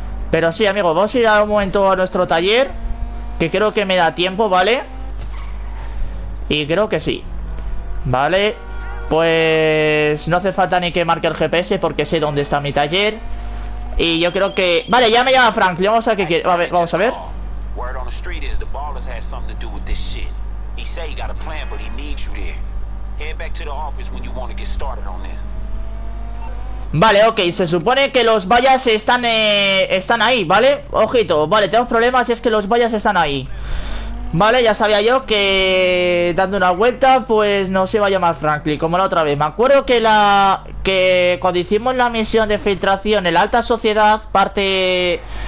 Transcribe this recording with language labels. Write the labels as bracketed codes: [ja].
[es] Pero sí, amigos, vamos a ir a un momento a nuestro taller, que creo que me da tiempo, ¿vale? Y creo que sí. Vale, pues no hace falta ni que marque el GPS, porque sé dónde está mi taller. Y yo creo que... vale, ya me llama Franklin. Vamos a ver qué quiere. A ver, vamos a ver. [en] Word on the street is the ballers has something to do with this shit. He say he got a plan, but he needs you there. Head back to the office when you want to get started on this. [es] Vale, ok, se supone que los vallas están ahí, ¿vale? Ojito, vale, tenemos problemas y es que los vallas están ahí. Vale, ya sabía yo que dando una vuelta, pues no se iba a llamar Franklin, como la otra vez. Me acuerdo que cuando hicimos la misión de filtración en la alta sociedad, parte